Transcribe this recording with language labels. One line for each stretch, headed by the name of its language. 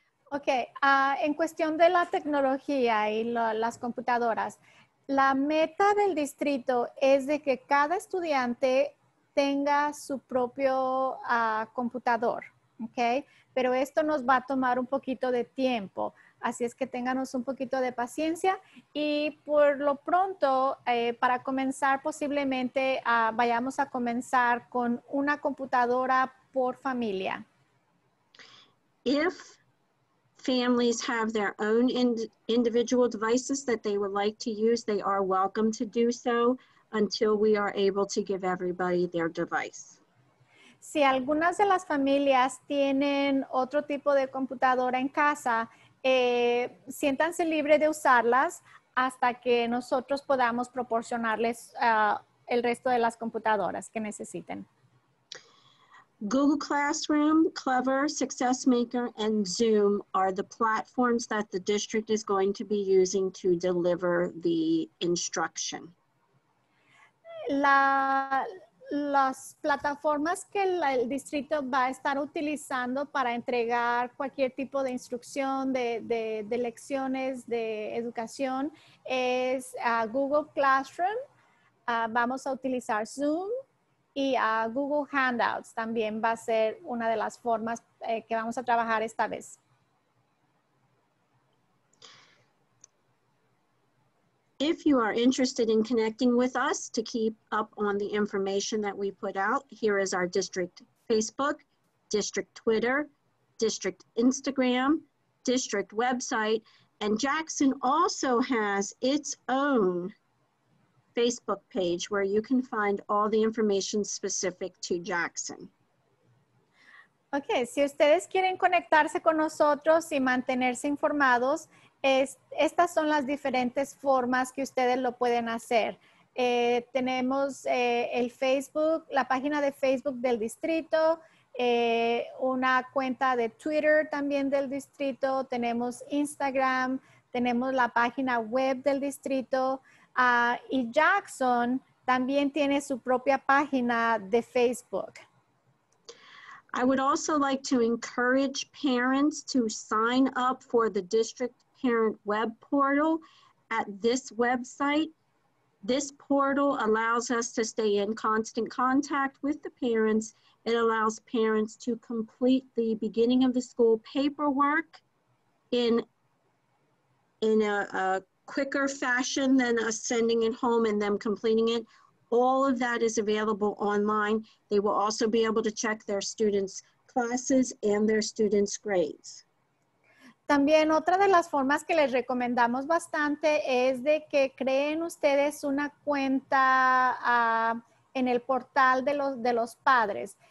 Spanish: Ok, en cuestión de la tecnología y las computadoras, la meta del distrito es de que cada estudiante tenga su propio computador, ok, pero esto nos va a tomar un poquito de tiempo, así es que ténganos un poquito de paciencia y por lo pronto, para comenzar posiblemente, vayamos a comenzar con una computadora por familia.
English: If families have their own individual devices that they would like to use, they are welcome to do so until we are able to give everybody their device.
Spanish: Si algunas de las familias tienen otro tipo de computadora en casa, siéntanse libre de usarlas hasta que nosotros podamos proporcionarles el resto de las computadoras que necesiten.
English: Google Classroom, Clever, SuccessMaker, and Zoom are the platforms that the district is going to be using to deliver the instruction.
Spanish: Las plataformas que el distrito va a estar utilizando para entregar cualquier tipo de instrucción, de lecciones, de educación, es Google Classroom, vamos a utilizar Zoom, y Google Handouts también va a ser una de las formas que vamos a trabajar esta vez.
English: If you are interested in connecting with us to keep up on the information that we put out, here is our district Facebook, district Twitter, district Instagram, district website, and Jackson also has its own Facebook page where you can find all the information specific to Jackson.
Spanish: Ok, si ustedes quieren conectarse con nosotros y mantenerse informados, estas son las diferentes formas que ustedes lo pueden hacer. Tenemos el Facebook, la página de Facebook del distrito, una cuenta de Twitter también del distrito, tenemos Instagram, tenemos la página web del distrito, y Jackson también tiene su propia página de Facebook.
English: I would also like to encourage parents to sign up for the district parent web portal at this website. This portal allows us to stay in constant contact with the parents. It allows parents to complete the beginning of the school paperwork in a quicker fashion than us sending it home and them completing it. All of that is available online. They will also be able to check their students' classes and their students' grades.
Spanish: También otra de las formas que les recomendamos bastante es de que creen ustedes una cuenta en el portal de los padres.